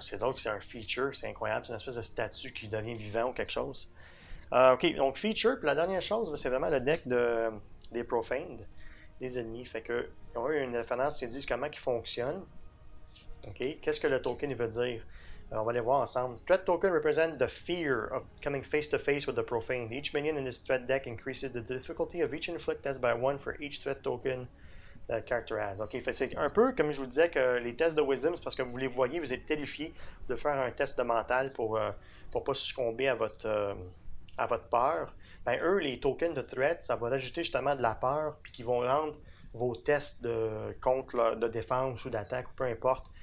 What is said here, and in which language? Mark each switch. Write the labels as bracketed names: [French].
[French] C'est drôle, c'est un feature. C'est incroyable. C'est une espèce de statue qui devient vivant ou quelque chose. OK, donc feature. Puis la dernière chose, c'est vraiment le deck de... des Profaned. Des ennemis. Fait que... Ils ont eu une référence qui dit comment ils fonctionnent. OK. Qu'est-ce que le token veut dire? Alors, on va les voir ensemble. [English] Threat token represents the fear of coming face to face with the profane. Each minion in this threat deck increases the difficulty of each inflict test by one for each threat token that character has. [French] Ok, fait, c'est un peu comme je vous disais que les tests de wisdom, c'est parce que vous les voyez, vous êtes terrifié de faire un test de mental pour pas succomber à votre peur. Ben, eux, les tokens de threat, ça va rajouter justement de la peur, puis qui vont rendre vos tests de contre de défense ou d'attaque, ou peu importe.